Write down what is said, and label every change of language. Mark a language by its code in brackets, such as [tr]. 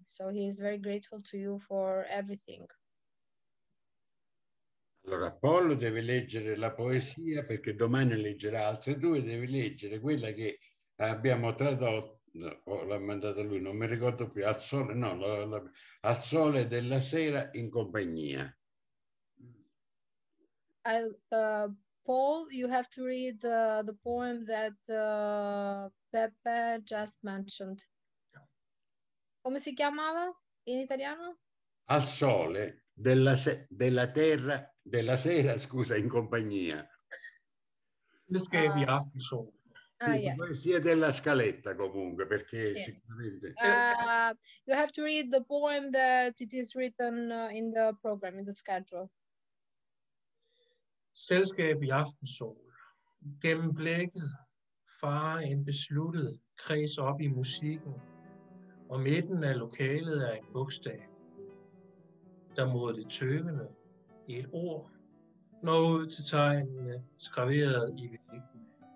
[en] So he is very grateful to you for everything. [it] Allora, Pollo deve leggere la poesia perché domani leggerà altre due, deve leggere quella che abbiamo tradotto, l'ha mandata lui, non mi ricordo più, Al sole, no, Al sole della sera in compagnia. [en] Paul, you have to read the poem that Peppe just mentioned. [it] Come si chiamava in italiano? Al sole della sera, scusa, in compagnia. Le scrivi [en] after show. [it] Poesia della scaletta comunque, perché sicuramente... [en] You have to read the poem that it is written in the program, in the schedule. [da] Selv skrev i aften sol. Gennem blækket far en besluttet kreds op i musikken, og midten af lokalet er en bogstav, der mod det tøvende i et ord, når ud til tegnene skraveret i væggen.